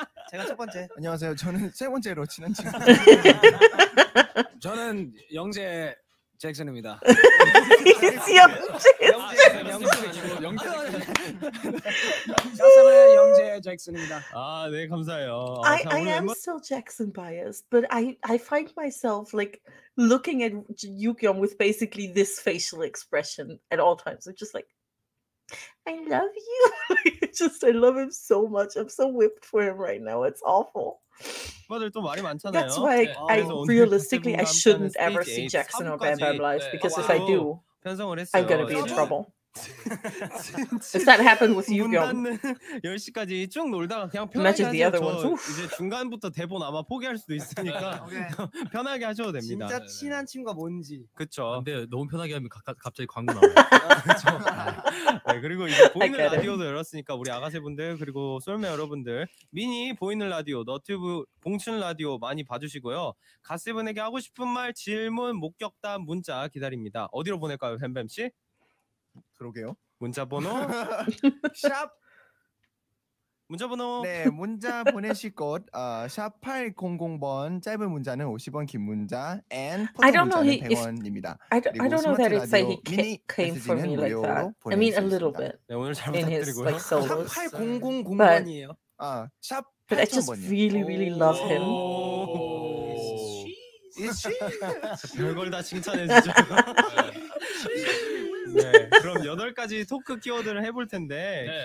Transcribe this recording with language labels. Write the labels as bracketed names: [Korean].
[Korean] 제가 첫 번째 안녕하세요 저는 세 번째로 지난 친구 저는 영재 잭슨입니다 영재 영재 잭슨 영재 잭슨입니다 아 네 감사해요 [English] I am still Jackson biased but I find myself like looking at Yukyeom with basically this facial expression at all times I'm just like I love you. Just I love him so much. I'm so whipped for him right now. It's awful. [Korean] 오빠들 또 말이 많잖아요. [English] That's why I realistically I shouldn't ever see Jackson or Bam Bam live because if I do, I'm gonna be in trouble. If that happened with you, girl. [Korean] 10시까지 쭉 놀다가 그냥 편하게 하세요. 저 이제 중간부터 대본 아마 포기할 수도 있으니까 편하게 하셔도 됩니다. 진짜 친한 친구가 뭔지. 그렇죠. 근데 너무 편하게 하면 갑자기 광고 나와요. 네, 그리고 이제 보이는 라디오도 열었으니까 우리 아가새 분들 그리고 솔메 여러분들 미니 보이는 라디오 너튜브 봉춘 라디오 많이 봐주시고요. 가세븐에게 하고 싶은 말 질문 목격담 문자 기다립니다. 어디로 보낼까요, 뱀뱀 씨? 그러게요. 문자번호 샵 문자번호 네 문자 보내실 곳 샵 800번 짧은 문자는 50원 긴 문자 and 포털 문자는 100원입니다. [English] I don't know that it's like he came for me like that. I mean a little bit. [Korean] 네 오늘 잘 부탁드리고요. 샵 800번이에요. 아 샵 [English] But I just really really love him. Is she? [Korean] 별걸 다 칭찬해주죠. 네, 그럼 여덟 가지 토크 키워드를 해볼 텐데 네.